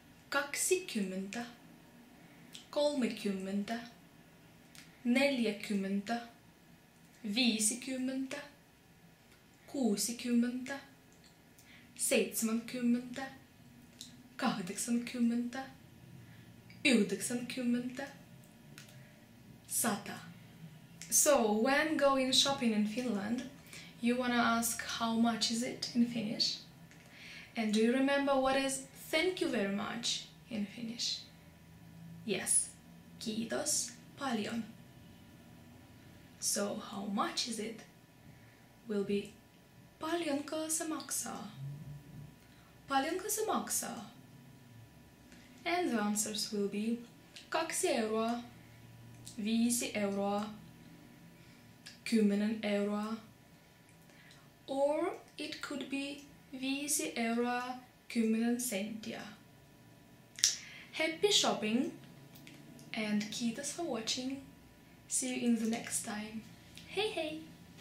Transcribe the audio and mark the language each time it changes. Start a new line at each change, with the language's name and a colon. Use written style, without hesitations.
Finnish: Kaksi kymmentä, kolme kymmentä, neljä kymmentä, viisi kymmentä, kuusi kymmentä, seitsemänkymmentä, kahdeksankymmentä, yhdeksänkymmentä, sata.
English: So, when going shopping in Finland, you wanna ask how much is it in Finnish? And do you remember what is thank you very much in Finnish? Yes,
Finnish: kiitos paljon.
English: So, how much is it? Will be
Finnish: paljonko se maksaa? Paljonko se maksaa?
English: And the answers will be
Finnish: kaksi euroa, viisi euroa, kymmenen euroa,
English: or it could be
Finnish: viisi euroa, kymmenen senttiä.
English: Happy shopping and kiitos for watching. See you in the next time. Hey, hey!